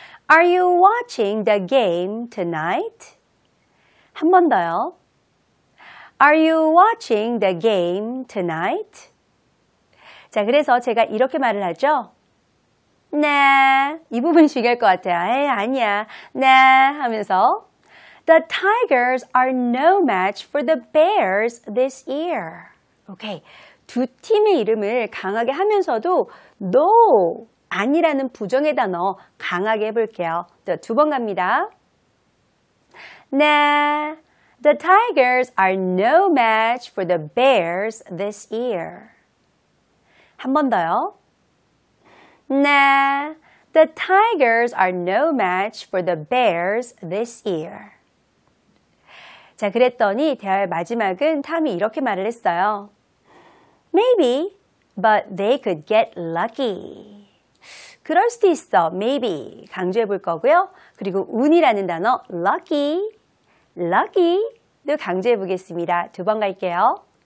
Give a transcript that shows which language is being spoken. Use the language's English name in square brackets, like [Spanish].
[English] Are you watching the game tonight? [Korean] 한 번 더요. [English] Are you watching the game tonight? [Korean] 자, 그래서 제가 이렇게 말을 하죠. Nah, 이 부분 중요할 것 같아요. 에이, 아니야. [English] Nah, 하면서 The Tigers are no match for the Bears this year. Okay. [Korean] 두 팀의 이름을 강하게 하면서도 no, 아니라는 부정의 단어 강하게 해볼게요. 자, 두 번 갑니다. [English] Nah, the Tigers are no match for the Bears this year. [Korean] 한 번 더요. [English] Nah, the Tigers are no match for the Bears this year. [Korean] 자, 그랬더니 대화의 마지막은 탐이 이렇게 말을 했어요. [English] Maybe, but they could get lucky. [Korean] 그럴 수도 있어, maybe 강조해 볼 거고요. 그리고 운이라는 단어, lucky, lucky도 강조해 보겠습니다. 두 번 갈게요.